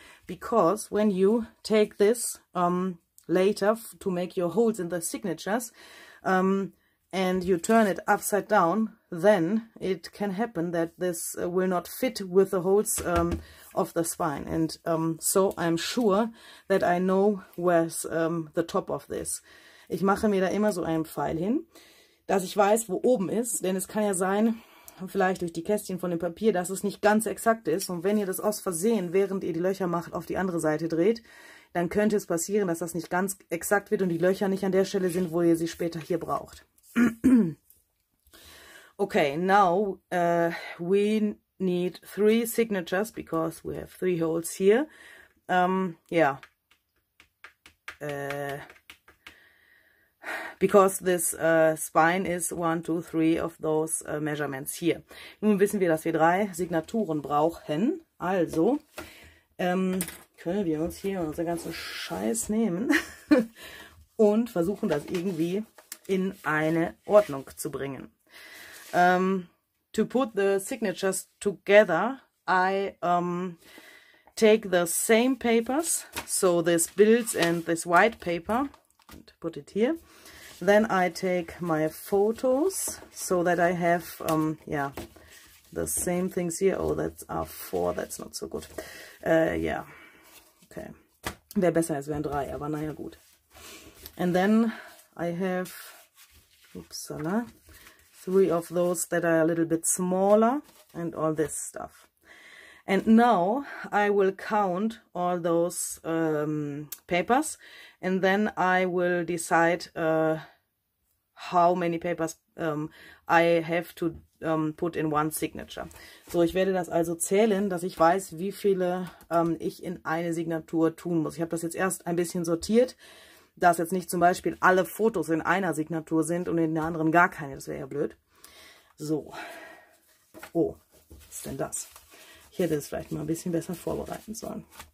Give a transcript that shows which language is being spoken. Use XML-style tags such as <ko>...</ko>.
<en>Because when you take this later to make your holes in the signatures and you turn it upside down, then it can happen that this will not fit with the holes of the spine. And so I'm sure that I know where's the top of this.</en> <de>Ich mache mir da immer so einen Pfeil hin, dass ich weiß, wo oben ist. Denn es kann ja sein, vielleicht durch die Kästchen von dem Papier, dass es nicht ganz exakt ist. Und wenn ihr das aus Versehen, während ihr die Löcher macht, auf die andere Seite dreht, dann könnte es passieren, dass das nicht ganz exakt wird und die Löcher nicht an der Stelle sind, wo ihr sie später hier braucht.</de> <en>Okay, now we need three signatures, because we have three holes here. Yeah. Because this spine is 1, 2, 3 of those measurements here.</en> <de>Nun wissen wir, dass wir drei Signaturen brauchen. Also können wir uns hier unser ganzen Scheiß nehmen und versuchen, das irgendwie in eine Ordnung zu bringen.</de> <en>To put the signatures together, I take the same papers, so this bills and this white paper, and put it here. Then I take my photos so that I have the same things here. Oh, that's R4, that's not so good. Okay.</en> <de>Wäre besser, es wären drei, aber naja, gut.</de> <en>And then I have three of those that are a little bit smaller and all this stuff. And now I will count all those papers and then I will decide how many papers I have to put in one signature.</en> <de>So, ich werde das also zählen, dass ich weiß, wie viele ich in eine Signatur tun muss. Ich habe das jetzt erst ein bisschen sortiert, dass jetzt nicht zum Beispiel alle Fotos in einer Signatur sind und in der anderen gar keine. Das wäre ja blöd. So. Oh, was ist denn das? Ich hätte es vielleicht mal ein bisschen besser vorbereiten sollen.</de>